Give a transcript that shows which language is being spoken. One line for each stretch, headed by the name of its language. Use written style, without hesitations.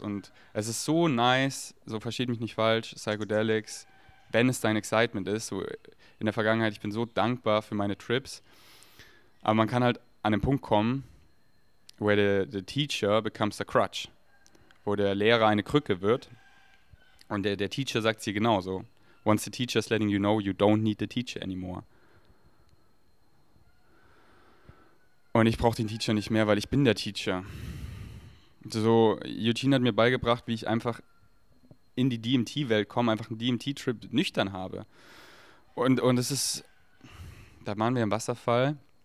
German: Und es ist so nice, so versteht mich nicht falsch, Psychedelics, wenn es dein Excitement ist. So in der Vergangenheit, ich bin so dankbar für meine Trips. Aber man kann halt an den Punkt kommen,
English: where the teacher becomes the crutch.
German: Wo der Lehrer eine Krücke wird und der Teacher sagt es dir genauso.
English: Once the teacher is letting you know, you don't need the teacher anymore.
German: Und ich brauche den Teacher nicht mehr, weil ich bin der Teacher. So, Eugene hat mir beigebracht, wie ich einfach in die DMT-Welt komme, einfach einen DMT-Trip nüchtern habe. Und es ist, da waren wir im Wasserfall.